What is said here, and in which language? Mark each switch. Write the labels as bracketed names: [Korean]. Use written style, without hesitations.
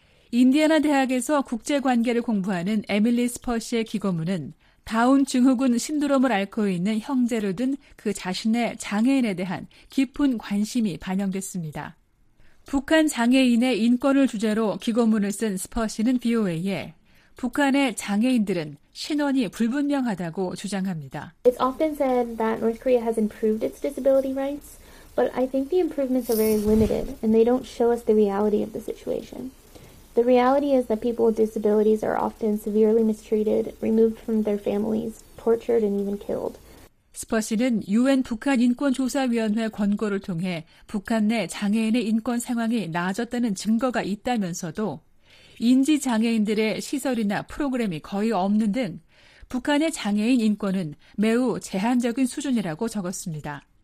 [Korean] 인디애나 대학에서 국제관계를 공부하는 에밀리 스퍼시의 기고문은 다운 증후군 신드롬을 앓고 있는 형제를 둔 그 자신의 장애인에 대한 깊은 관심이 반영됐습니다. 북한 장애인의 인권을 주제로 기고문을 쓴 스퍼시는 VOA에 북한의 장애인들은 신원이 불분명하다고 주장합니다. [English] It's often said that North Korea has improved its disability rights, but I think the improvements are very limited and they don't show us the reality of the situation. The reality is that people with disabilities are often severely mistreated, removed from their families, tortured and even killed. [Korean] 스퍼시는 UN 북한 인권 조사위원회 권고를 통해 북한 내 장애인의 인권 상황이 나아졌다는 증거가 있다면서도 인지장애인들의 시설이나 프로그램이 거의 없는 등 북한의 장애인 인권은 매우 제한적인 수준이라고 적었습니다.